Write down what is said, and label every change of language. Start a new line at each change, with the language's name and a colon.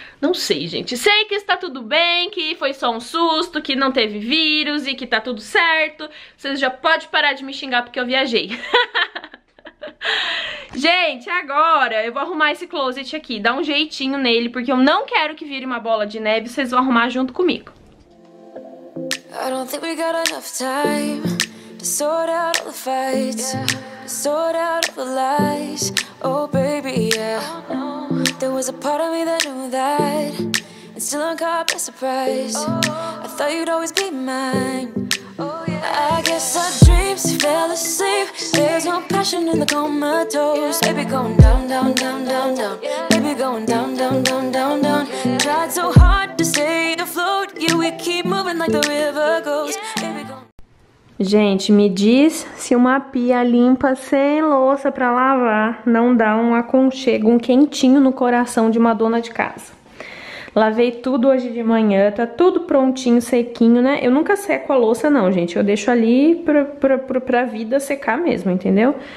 Portuguese: Não sei, gente, sei que está tudo bem, que foi só um susto, que não teve vírus e que tá tudo certo. Vocês já podem parar de me xingar porque eu viajei. Gente, agora eu vou arrumar esse closet aqui, dar um jeitinho nele, porque eu não quero que vire uma bola de neve, vocês vão arrumar junto comigo.
English: I don't think we got enough time. Sort out all the fights, yeah. Sort out all the lies. Oh baby, yeah. There was a part of me that knew that, and still I'm caught by surprise. I thought you'd always be mine. I guess our dreams fell asleep. There's no passion in the comatose. Baby going down, down, down, down, down. Baby going down, down, down, down, down. Tried so hard to stay afloat. Yeah, we keep moving like the river goes.
Portuguese: Gente, me diz se uma pia limpa sem louça pra lavar não dá um aconchego, um quentinho no coração de uma dona de casa. Lavei tudo hoje de manhã, tá tudo prontinho, sequinho, né? Eu nunca seco a louça não, gente. Eu deixo ali pra vida secar mesmo, entendeu?